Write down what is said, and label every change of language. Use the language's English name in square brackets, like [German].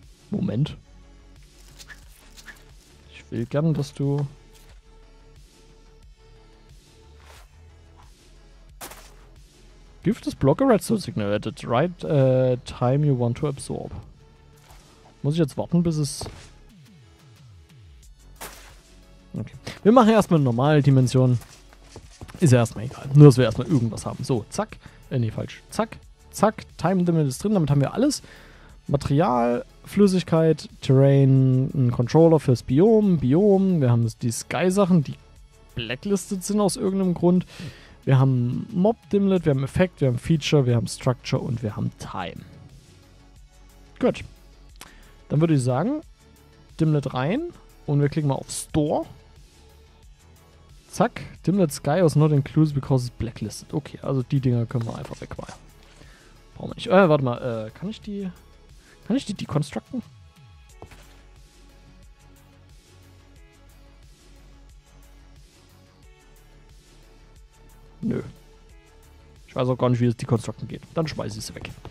[German] Moment. Ich will gern, dass du... [English] Give this block a redstone signal at the right time you want to absorb. [German] Muss ich jetzt warten, bis es... Okay. Wir machen erstmal eine normale Dimension. Ist ja erstmal egal. Nur, dass wir erstmal irgendwas haben. So, zack. Zack. Zack. Time Limit ist drin. Damit haben wir alles. Material, Flüssigkeit, Terrain, ein Controller fürs Biom. Biom. Wir haben die Sky-Sachen, die blacklisted sind aus irgendeinem Grund. Wir haben Mob Dimlet, wir haben Effekt, wir haben Feature, wir haben Structure und wir haben Time. Gut. Dann würde ich sagen, Dimlet rein und wir klicken mal auf Store. [English] Zack, Dimlet Sky was not included because it's blacklisted. [German] Okay, also die Dinger können wir einfach wegmachen. Brauchen wir nicht. Warte mal, kann ich die deconstructen? Nö. Ich weiß auch gar nicht, wie es deconstructen geht. Dann schmeiße ich sie weg.